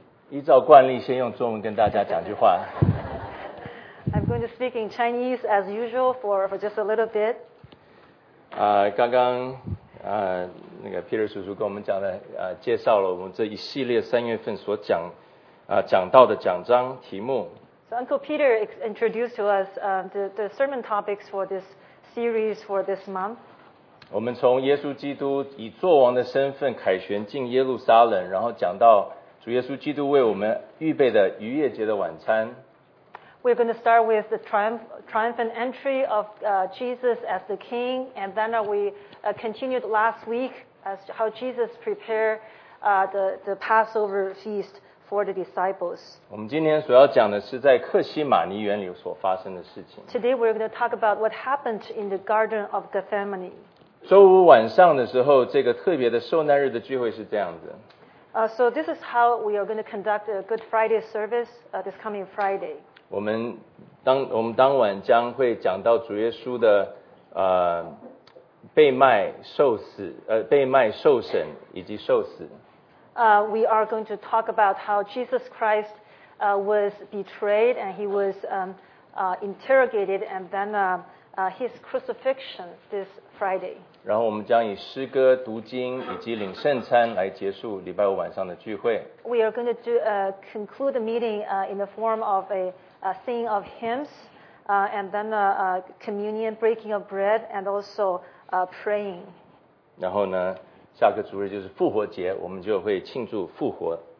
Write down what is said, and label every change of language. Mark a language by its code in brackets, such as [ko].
[zh] 依照惯例，先用中文跟大家讲句话。 [en] I'm going to speak in Chinese as usual for just a little bit. [zh] 刚刚那个 Peter 叔叔跟我们讲的介绍了我们这一系列三月份所讲讲到的讲章题目。 [en] So Uncle Peter introduced to us the sermon topics for this series for this month. [zh] 我们从耶稣基督以作王的身份凯旋进耶路撒冷，然后讲到主耶稣基督为我们预备的逾越节的晚餐。 [en] We're going to start with the triumphant entry of Jesus as the King, and then we continued last week as how Jesus prepared the Passover feast. For the disciples. [zh] 我们今天所要讲的是在客西马尼园里所发生的事情。 [en] Today we're going to talk about what happened in the Garden of Gethsemane. [zh] 周五晚上的时候，这个特别的受难日的聚会是这样子。 [en] So this is how we are going to conduct a Good Friday service this coming Friday. [zh] 我们当晚将会讲到主耶稣的被卖受死被卖受审以及受死。 [en] We are going to talk about how Jesus Christ was betrayed and he was interrogated and then his crucifixion this Friday. [zh] 然后我们将以诗歌、读经以及领圣餐来结束礼拜五晚上的聚会。 [en] We are going to conclude the meeting in the form of a singing of hymns and then communion, breaking of bread and also praying. [zh] 然后呢？下个主日就是复活节，我们就会庆祝复活。